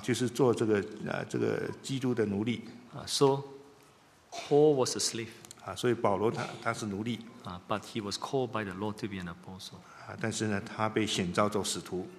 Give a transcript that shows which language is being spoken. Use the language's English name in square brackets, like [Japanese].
[Chinese] 就是做这个基督的奴隶 [English] So Paul was a slave [Chinese] 所以保罗他是奴隶 [English] But he was called by the Lord to be an apostle [Chinese] 但是呢他被选召做使徒